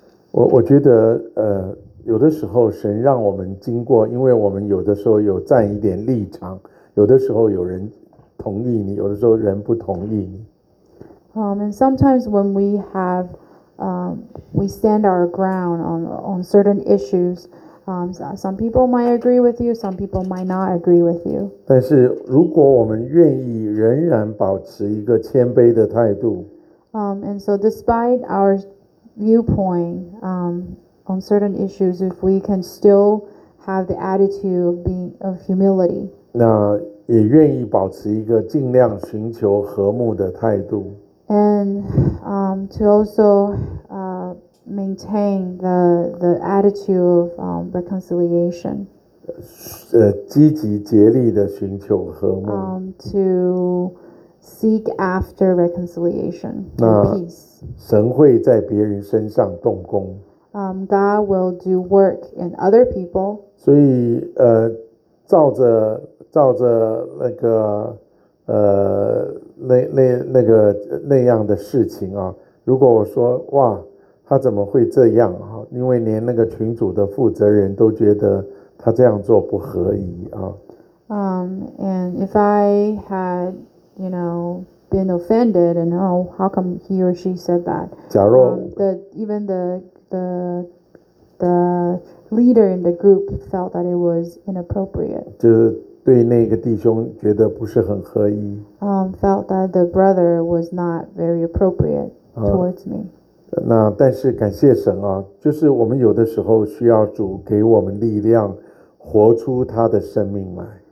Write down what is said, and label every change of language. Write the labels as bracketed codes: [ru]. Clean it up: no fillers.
[zh] 我觉得有的时候神让我们经过，因为我们有的时候有站一点立场，有的时候有人同意你，有的时候人不同意你。 [en] And sometimes when we have we stand our ground on certain issues, some people might agree with you, some people might not agree with you. [zh] 但是如果我们愿意仍然保持一个谦卑的态度。 [en] And so despite our viewpoint on certain issues, if we can still have the attitude of being of humility. [zh] 那也愿意保持一个尽量寻求和睦的态度。 [en] And to also maintain the attitude of reconciliation. [zh] 积极竭力的寻求和睦。 [en] To seek after reconciliation, peace. [zh] 那神会在别人身上动工。 [en] God will do work in other people. [zh] 所以照着那个那个那样的事情啊，如果我说哇，他怎么会这样啊？因为连那个群组的负责人都觉得他这样做不合宜啊。 [en] And if I had, you know, been offended, and oh, how come he or she said that? [zh] 假若 [en] even the leader in the group felt that it was inappropriate. [zh] 就对那个弟兄觉得不是很合宜。 [en] Felt that the brother was not very appropriate towards me. [zh] 那但是感谢神啊，就是我们有的时候需要主给我们力量，活出他的生命来。